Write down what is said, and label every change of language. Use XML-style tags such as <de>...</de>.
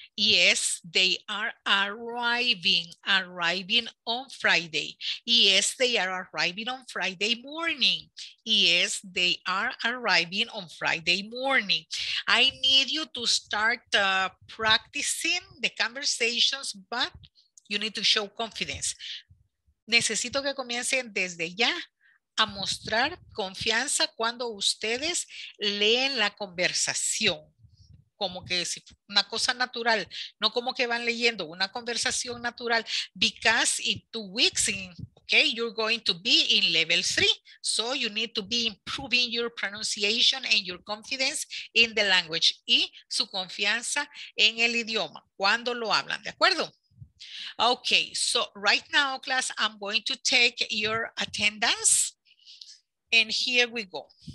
<en>Yes, they are arriving on Friday. Yes, they are arriving on Friday morning. Yes, they are arriving on Friday morning. I need you to start practicing the conversations, but you need to show confidence.</en> <es>Necesito que comiencen desde ya a mostrar confianza cuando ustedes leen la conversación. Como que es una cosa natural, no como que van leyendo, una conversación natural.</es> <en>Because in 2 weeks, okay, you're going to be in level 3. So you need to be improving your pronunciation and your confidence in the language</en> <es>y su confianza en el idioma cuando lo hablan, ¿de acuerdo?</es> <en>Okay, so right now, class, I'm going to take your attendance. And here we go.</en>